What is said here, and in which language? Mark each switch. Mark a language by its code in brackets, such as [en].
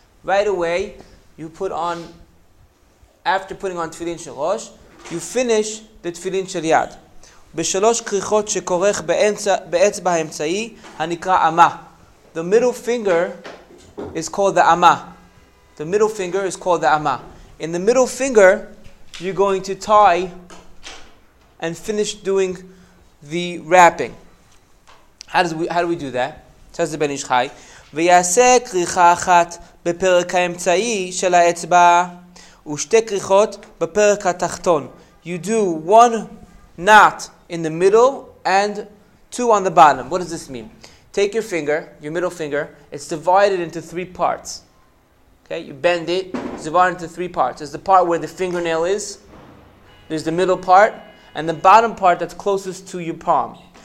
[en] Right away, you put on, after putting on Tfilin Shel Rosh, you finish the Tfilin Shel Yad. [he] בשלוש קריחות שקורך באצבע האמצעי הנקרא אמה. [en] The middle finger is called the אמה. The middle finger is called the אמה. In the middle finger, you're going to tie and finish doing the wrapping. How do we do that? Says the [he] בן איש חי. ויעשה קריחה אחת בפרק האמצעי של האצבע ושתי קריחות בפרק התחתון. [en] You do one knot in the middle, and two on the bottom. What does this mean? Take your finger, your middle finger, it's divided into three parts. Okay, you bend it, it's divided into three parts. There's the part where the fingernail is, there's the middle part, and the bottom part that's closest to your palm.